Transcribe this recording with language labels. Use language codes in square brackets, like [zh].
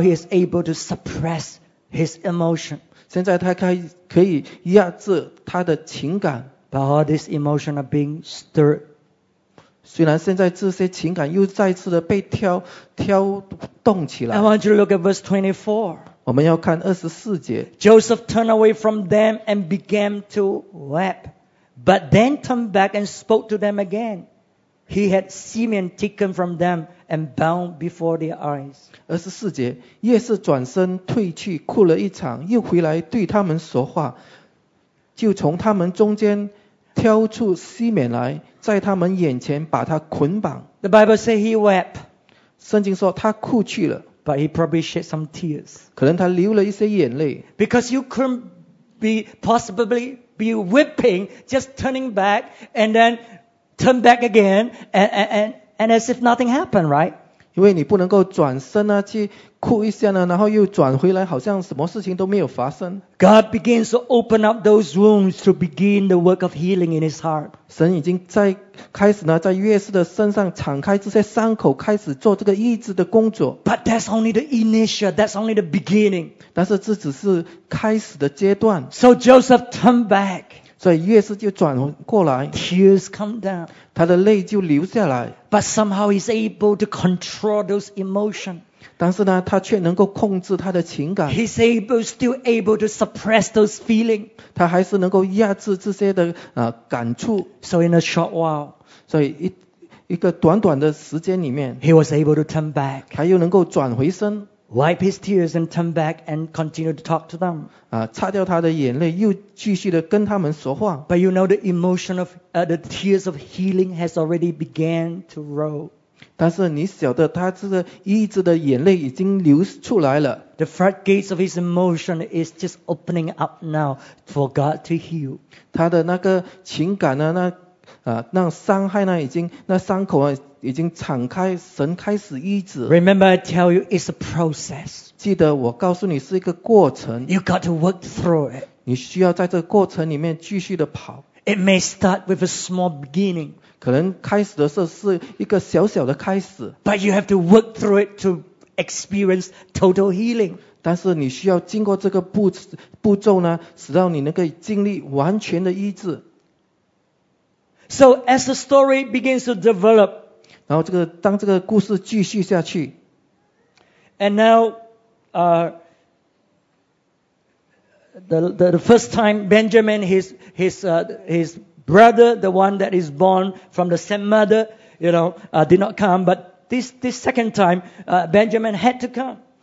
[en] he is able to suppress his emotion. [zh] 现在他可以压制他的情感. [en] But all these emotions are being stirred. [zh] 虽然现在这些情感又再次的被挑动起来。 [en] I want you to look at verse 24. [zh] 我们要看24节。 [en] Joseph turned away from them and began to weep, but then turned back and spoke to them again. He had Simeon taken from them and bound before their eyes. [zh] 24节, 夜市转身退去，哭了一场，又回来对他们说话，就从他们中间挑出西缅来，在他们眼前把他捆绑。 [en] The Bible says he wept. [zh] 圣经说他哭去了。 [en] But he probably shed some tears. [zh] 可能他流了一些眼泪。 [en] Because you couldn't be possibly be weeping, just turning back and then turn back again and as if nothing happened, right? [zh] 因为你不能够转身啊，去哭一下呢，然后又转回来，好像什么事情都没有发生。 [en] God begins to open up those wounds to begin the work of healing in his heart. [zh] 神已经在开始呢，在约瑟的身上敞开这些伤口，开始做这个医治的工作。 [en] But that's only the initial, that's only the beginning. [zh] 但是这只是开始的阶段。 [en] So Joseph turned back. [zh] 所以约瑟就转过来, [en] tears come down. [zh] 他的泪就流下来, [en] but somehow he's able to control those emotions. [zh] 但是呢，他却能够控制他的情感. [en] He's able, still able to suppress those feelings. [zh] 他还是能够压制这些的感触. [en] So in a short while, [zh] 所以一个短短的时间里面, [en] he was able to turn back. [zh] 他又能够转回身. [en] wipe his tears and turn back and continue to talk to them. [zh] 擦掉他的眼泪，又继续地跟他们说话。 [en] But you know the emotion of the tears of healing has already began to roll. [zh] 但是你晓得他这个医治的眼泪已经流出来了。 [en] The floodgates of his emotion is just opening up now for God to heal. [zh] 他的那个情感呢，那那伤害呢，已经那伤口啊。已经敞开，神开始医治。 [en] Remember, I tell you, it's a process. [zh] 记得我告诉你是一个过程。 [en] You got to work through it. [zh] 你需要在这个过程里面继续的跑。 [en] It may start with a small beginning. [zh] 可能开始的时候是一个小小的开始。 [en] But you have to work through it to experience total healing. [zh] 但是你需要经过这个步骤呢，使到你能够经历完全的医治。 [en] So as the story begins to develop. [zh] 然后这个当这个故事继续下去 [en] ，and now, the first time Benjamin his brother, the one that is born from the same mother, you know, did not come, but this second time, Benjamin had to come.